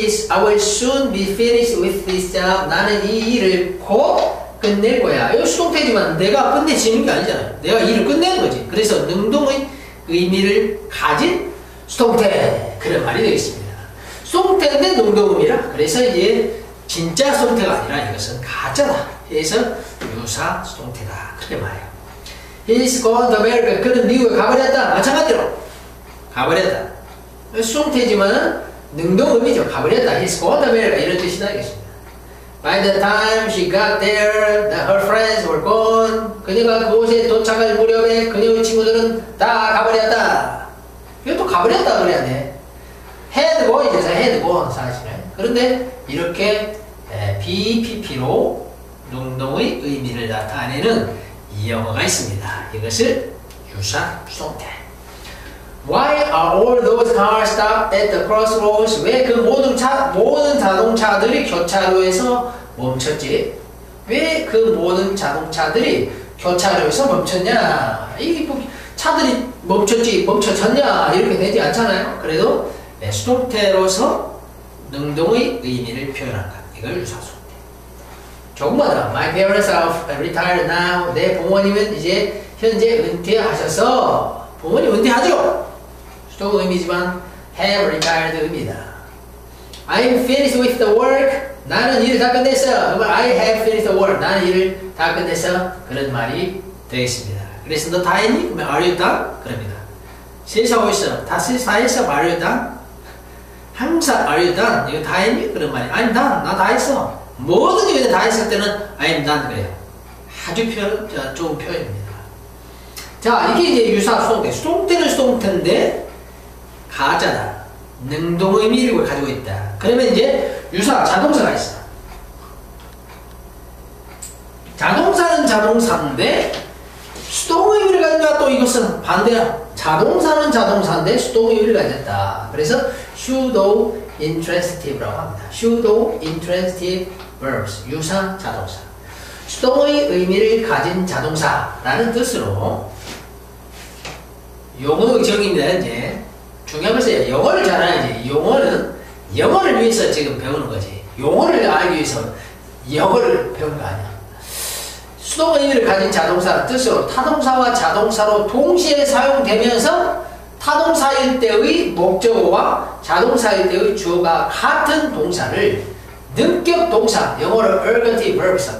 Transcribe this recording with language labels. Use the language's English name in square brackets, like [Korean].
[English] I will soon be finished with this job. [Korean] 나는 이 일을 곧 끝낼 거야. 이거 수동태지만 내가 끝내지는 게 아니잖아. 내가 일을 끝내는 거지. 그래서 능동의 의미를 가진 수동태. 그런 말이 되겠습니다. 수동태인데 능동음이라. 그래서 이제 진짜 수동태가 아니라 이것은 가짜다. 그래서 유사 수동태다. 그렇게 말해요. [English] He's gone to America. [Korean] 그는 미국에 가버렸다. 마찬가지로. 가버렸다. 수동태지만은 능동 의미죠. 가버렸다. [English] He's gone to America. [Korean] 이런 뜻이 나겠습니다. [English] By the time she got there, her friends were gone. [Korean] 그녀가 그곳에 도착할 무렵에 그녀의 친구들은 다 가버렸다. 이것도 가버렸다 그래야 돼. [English] Had gone [Korean] 이제서 [English] had gone [Korean] 사실은. 그런데 이렇게 BPP로 능동의 의미를 나타내는 이 영어가 있습니다. 이것을 유사 수동태. [English] Why are all those cars stopped at the crossroads? [Korean] 왜 그 모든 자동차들이 교차로에서 멈췄지? 왜 그 모든 자동차들이 교차로에서 멈췄냐? 차들이 멈췄지, 멈췄었냐? 이렇게 되지 않잖아요. 그래도 수동태로서 능동의 의미를 표현한다. 이걸 유사수동태. 조금만 [English] My parents are retired now. [Korean] 내 부모님은 이제 현재 은퇴하셔서 부모님 은퇴하죠? 수동 의미지만 [English] have retired [Korean] 의미다. [English] I'm finished with the work. [Korean] 나는 일을 다 끝냈어. 그러면 [English] I have finished the work. [Korean] 나는 일을 다 끝냈어. 그런 말이 되겠습니다. 그래서 너 다 했니? 그러면 [English] are you done? [Korean] 그럽니다. 실수하고 있어. 다 실수했어. [English] Are you done? [Korean] 항상 [English] are you done? [Korean] 이거 다 했니? 그런 말이. [English] I'm done. [Korean] 나 다 했어. 모든 일을 다 했을 때는 [English] I'm done [Korean] 그래요. 아주 좋은 표현입니다. 자, 이게 이제 유사 수동태. 수동태는 수동태인데 가짜다. 능동의 미력을 가지고 있다. 그러면 이제 유사 자동사가 있어. 자동사는 자동사인데 수동의 미력을 가진다. 또 이것은 반대야. 자동사는 자동사인데 수동의 미력을 가졌다. 그래서 pseudo intransitive라고 합니다. [English] pseudo intransitive verbs 유사 자동사. [Korean] 수동의 의미를 가진 자동사라는 뜻으로 용어 정의입니다. 이제 중요한 것은 영어를 잘 알아야지. 영어는 영어를 위해서 지금 배우는 거지. 용어를 알기 위해서 영어를 배운 거 아니야. 수동의 의미를 가진 자동사는 뜻으로 타동사와 자동사로 동시에 사용되면서 타동사일 때의 목적어와 자동사일 때의 주어가 같은 동사를 능격 동사, 영어로 ergative verbs.